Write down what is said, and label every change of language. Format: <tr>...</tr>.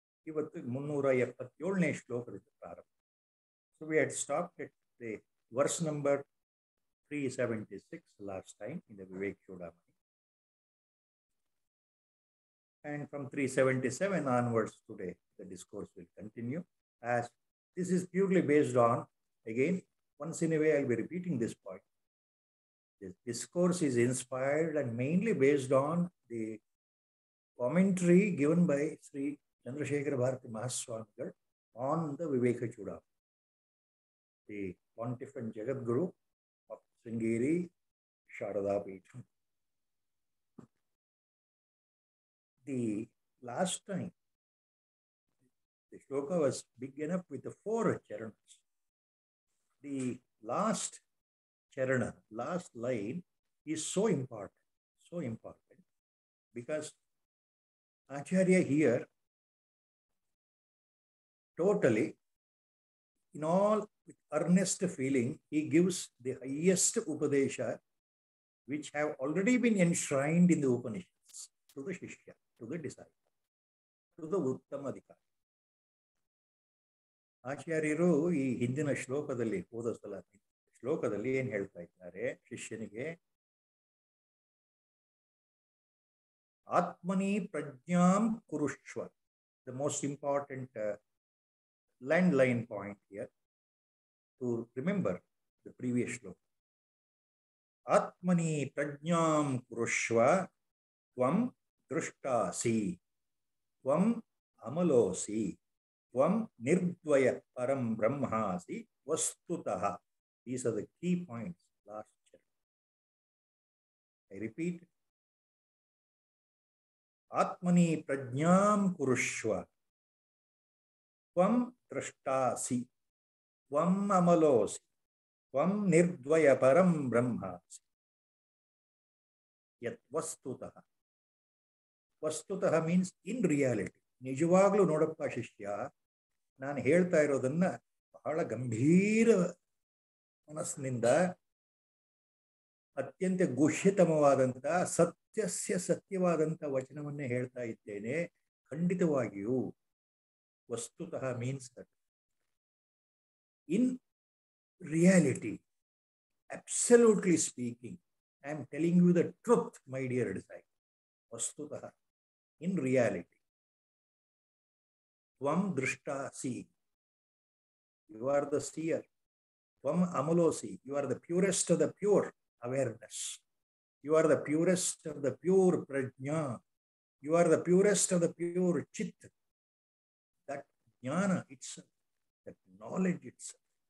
<kn>ಇವತ್ತು 377ನೇ ಶ್ಲೋಕದಿಂದ ಪ್ರಾರಂಭ.</kn> <en>So we had stopped at the verse number 376 last time in the Viveka Chudamani. And from 377 onwards today the discourse will continue. As this is purely based on, again once in a way I will be repeating this point. This discourse is inspired and mainly based on the commentary given by Sri Chandrasekhara Bharati Mahaswamigal on the Viveka Chudamani, the pontiff and jagadguru of Sringeri Sharada Peetham. The last time, the shloka was big enough with the four charanas. The last charana, last line, is so important, because Acharya here totally, in all with earnest feeling, he gives the highest upadesha which have already been enshrined in the Upanishads to the shishya, to the disciple, to the uttamadhikari.</en> <kn>Acharyaru ee hindina shlokadalli hodasala ಶ್ಲೋಕದಲ್ಲಿ ಏನ್ ಹೇಳ್ತಾ ಇದ್ದಾರೆ ಶಿಷ್ಯನಿಗೆ,</kn> <sa>ಆತ್ಮನಿ ಪ್ರಜ್ಞಾಂ ಕುರುಷ್ವ,</sa> <en>The most important land line point here to remember the previous shloka.</en> <sa>ಆತ್ಮನಿ ಪ್ರಜ್ಞಾಂ ಕುರುಷ್ವ ತ್ವಂ ದೃಷ್ಟಾಸಿ ತ್ವಂ ಅಮಲೋಸಿ ತ್ವಂ ನಿರ್ದ್ವಯ ಪರಂ ಬ್ರಹ್ಮಾಸಿ ವಸ್ತುತಃ.</sa> <en>These are the key points, last chapter. I repeat.</en> <sa>Atmani prajnam kurushva. Tvam drashtasi. Tvam amalosi. Tvam nirdvaya param brahmasi. Yat vastutaha.</sa> <en>Vastutaha means in reality.</en> <kn>Nijuvaglu nodappa shishya. Nan helta irodanna bahala gambhira ಮನಸ್ಸಿನಿಂದ ಅತ್ಯಂತ ಗುಹ್ಯತಮವಾದಂಥ ಸತ್ಯಸ್ಯ ಸತ್ಯವಾದಂಥ ವಚನವನ್ನೇ ಹೇಳ್ತಾ ಇದ್ದೇನೆ. ಖಂಡಿತವಾಗಿಯೂ</kn> <en>ವಸ್ತುತಃ means that in reality, absolutely speaking, I am telling you the truth my dear disciple. ವಸ್ತುತಃ in reality,</en> <sa>ತ್ವಂ ದೃಷ್ಟಾಸಿ,</sa> <en>You are the steer.</en> <sa>Vam amalosi,</sa> <en>you are the purest of the pure awareness. You are the purest of the pure prajna. You are the purest of the pure chit. That jnana itself, that knowledge itself.</en>